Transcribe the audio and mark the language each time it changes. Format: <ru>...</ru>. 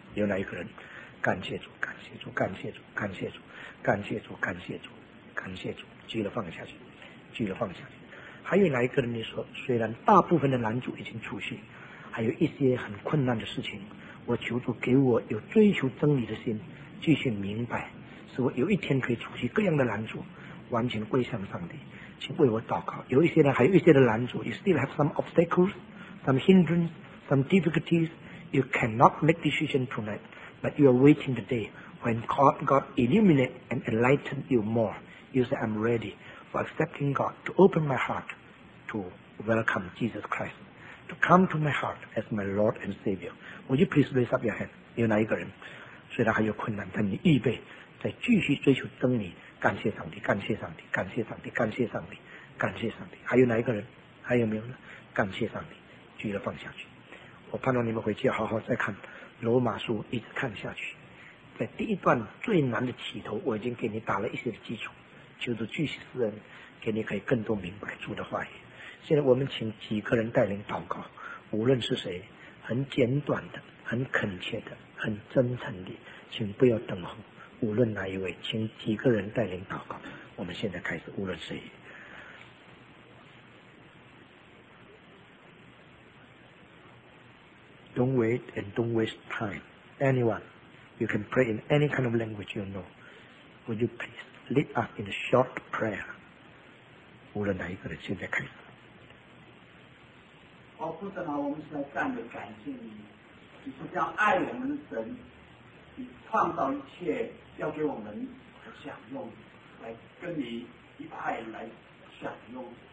<zh>有哪一个人？感谢主，感谢主，感谢主，感谢主，感谢主，感谢主，感谢主，举了放下去，举了放下去。还有哪一个人？你说虽然大部分的拦阻已经出去，还有一些很困难的事情，我求主给我有追求真理的心，继续明白，使我有一天可以除去各样的拦阻，完全归向上帝，请为我祷告。有一些人还有一些的拦阻，</zh> <en>You still have some obstacles, some hindrance, some difficulties, you cannot make decision tonight, but you are waiting the day when God illuminate and enlighten you more. You say, I'm ready for accepting God to open my heart to welcome Jesus Christ, to come to my heart as my Lord and Savior. Would you please raise up your hand?</en> <zh>有哪一个人虽然还有困难，但你预备再继续追求真理，感谢上帝，感谢上帝，感谢上帝，感谢上帝，感谢上帝。还有哪一个人？还有没有呢？感谢上帝，举了放下去。我盼望你们回去好好再看罗马书，一直看下去。在第一段最难的起头，我已经给你打了一些的基础，就是巨石人给你可以更多明白主的话语。现在我们请几个人带领祷告，无论是谁，很简短的，很恳切的，很真诚的，请不要等候。无论哪一位，请几个人带领祷告。我们现在开始，无论谁。</zh> <en>Don't wait and don't waste time. Anyone, you can pray in any kind of language you know. Would you please lead us in a short prayer?</en> <zh>无论哪一个人，现在开始。父神啊，我们是在赞美感谢你，你是这样爱我们的神，你创造一切要给我们来享用，来跟你一派来享用。</zh>